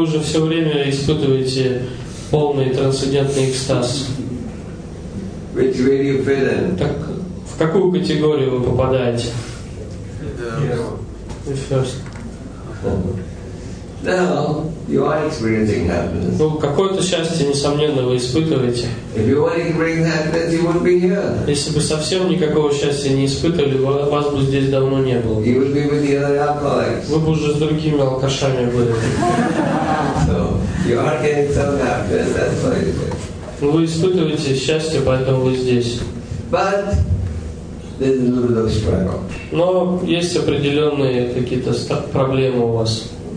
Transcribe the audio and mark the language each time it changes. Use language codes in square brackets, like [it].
[ru] уже все время испытываете полный трансцендентный экстаз? [en] Which way do you fit in? [ru] Так в какую категорию вы попадаете? [en] The first. Now you are experiencing happiness. [ru] Ну, какое-то счастье, несомненно, вы испытываете. [en] If you weren't experiencing happiness, you wouldn't be here. [ru] Если бы совсем никакого счастья не испытывали, вас бы здесь давно не было. [en] You would be with the other alcoholics. [ru] Вы бы уже с другими алкашами были. [en] So you are getting some happiness, that's why you're here. [ru] Вы испытываете счастье, поэтому вы здесь. [en] But there's a little bit of struggle. [ru] Но есть определенные какие-то проблемы у вас.